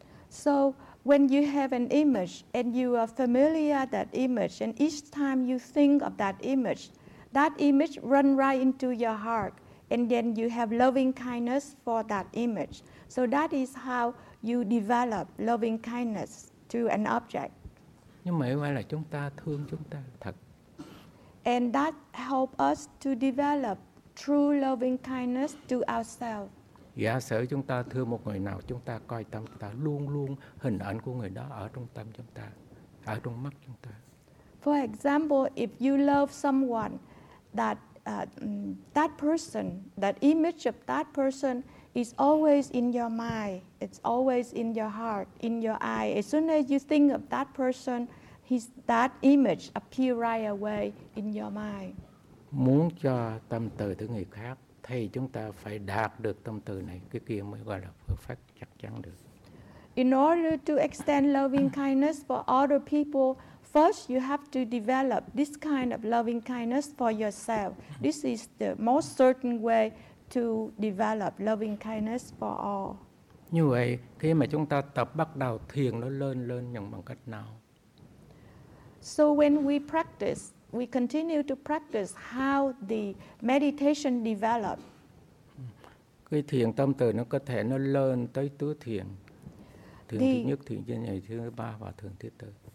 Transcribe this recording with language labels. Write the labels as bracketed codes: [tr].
[en] So when you have an image and you are familiar that image, and each time you think of that image, that image run right into your heart, and then you have loving kindness for that image. So that is how you develop loving kindness to an object. [vi] Nhưng mà phải là chúng ta thương chúng ta thật. [en] And that help us to develop true loving kindness to ourselves. [vi] Giả sử chúng ta thương một người nào, chúng ta coi tâm chúng ta luôn luôn hình ảnh của người đó ở trong tâm chúng ta, ở trong mắt chúng ta. [en] For example, if you love someone, that person, that image of that person is always in your mind. It's always in your heart, in your eye. As soon as you think of that person, that image appear right away in your mind. [vi] Muốn cho tâm từ tới người khác, thì chúng ta phải đạt được tâm từ này, cái kia mới gọi là phương pháp chắc chắn được. [en] In order to extend loving kindness for other people, first you have to develop this kind of loving kindness for yourself. This is the most certain way to develop loving kindness for all. [vi] Như vậy, khi mà chúng ta tập bắt đầu thiền nó lên nhưng bằng cách nào? [en] So when we continue to practice how the meditation develop. [vi] Cái thiền tâm từ nó có thể nó lên tới tứ thiền. Thiền thứ nhất, thiền thứ nhì, thiền thứ ba và thiền thứ tư.